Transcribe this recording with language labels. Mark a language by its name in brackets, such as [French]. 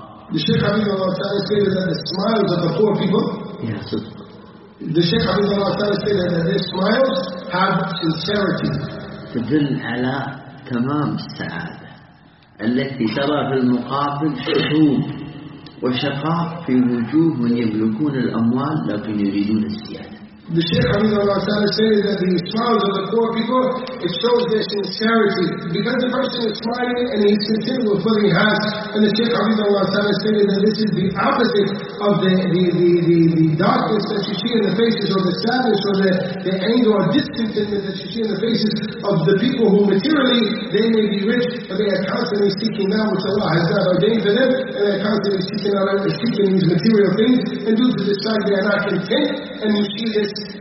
[English] The Shaykh Habibullah Ta'ala stated that the smiles of the poor people, yes. The Shaykh Habibullah Ta'ala stated that their smiles have sincerity. [Arabic] تدل على تمام السعادة التي ترى في المقابل شحوب وشقاء في وجوه من يملكون الأموال لكن يريدون الزيادة. [English] The Shaykh Habibullah Ta'ala stated that the smiles of the poor people, it shows their sincerity. Because the person is smiling and he's content with what he has, and the Shaykh Habibullah Ta'ala stated that this is the opposite of the darkness that you see in the faces, or the sadness, or the anger or discontentment that you see in the faces of the people who materially, they may be rich, but they are constantly seeking now which Allah has not ordained for them, and they are constantly seeking these material things, and due to this fact they are not content, and you see this.